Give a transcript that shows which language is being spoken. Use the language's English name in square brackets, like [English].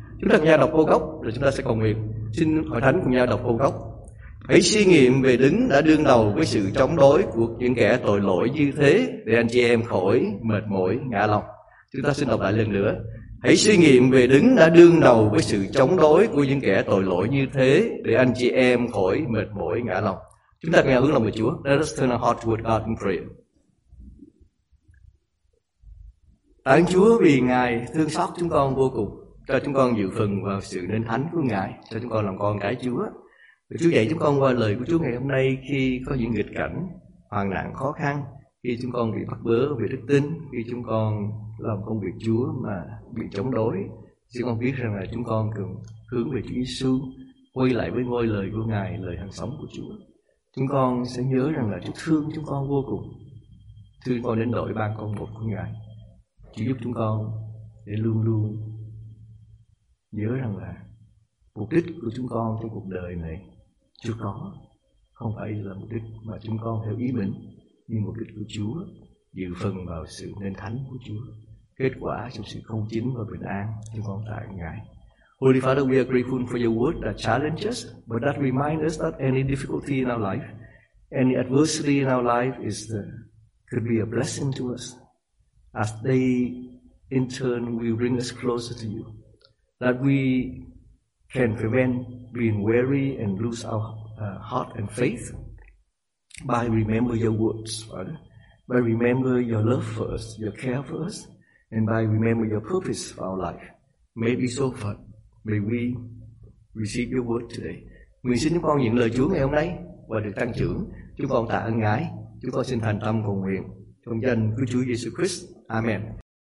[Vietnamese] Chúng ta cùng nhau đọc câu gốc rồi chúng ta sẽ cầu nguyện. Xin hội thánh cùng nhau đọc câu gốc: hãy suy nghiệm về Đấng đã đương đầu với sự chống đối của những kẻ tội lỗi như thế để anh chị em khỏi mệt mỏi ngã lòng. Chúng ta xin đọc lại lần nữa: hãy suy nghiệm về Đấng đã đương đầu với sự chống đối của những kẻ tội lỗi như thế để anh chị em khỏi mệt mỏi ngã lòng. Chúng ta nghe hướng lòng của Chúa. [English] Let us turn our heart toward God in prayer. [Vietnamese] Tạ ơn Chúa vì Ngài thương xót chúng con vô cùng, cho chúng con dự phần vào sự nên thánh của Ngài, cho chúng con làm con cái Chúa. Chúa dạy chúng con qua lời của Chúa ngày hôm nay, khi có những nghịch cảnh, hoàn nạn khó khăn, khi chúng con bị bắt bớ về đức tin, khi chúng con làm công việc Chúa mà bị chống đối, chúng con biết rằng là chúng con cần hướng về Chúa Giêsu, quay lại với ngôi lời của Ngài, lời hằng sống của Chúa. Chúng con sẽ nhớ rằng là Chúa thương chúng con vô cùng, thương con đến nỗi ban con một của Ngài. Chúa giúp chúng con để luôn luôn nhớ rằng là mục đích của chúng con trong cuộc đời này chưa có, không phải là mục đích mà chúng con theo ý mình, nhưng mục đích của Chúa dự phần vào sự nên thánh của Chúa, kết quả trong sự công chính và bình an. Chúng con tạ Ngài. [English] Holy Father, we are grateful for your word that challenges, but that reminds us that any difficulty in our life Any adversity in our life is the, could be a blessing to us, as they in turn will bring us closer to you. That we can prevent being weary and lose our heart and faith by remember your words, Father, by remember your love for us, your care for us, and by remember your purpose for our life. May it be so, Father. May we receive your word today. [Vietnamese] Nguyện xin chúng con nhận lời Chúa ngày hôm nay và được tăng trưởng. Chúng con tạ ơn Ngài. Chúng con xin thành tâm cầu nguyện trong danh của Chúa Jesus Christ. Amen.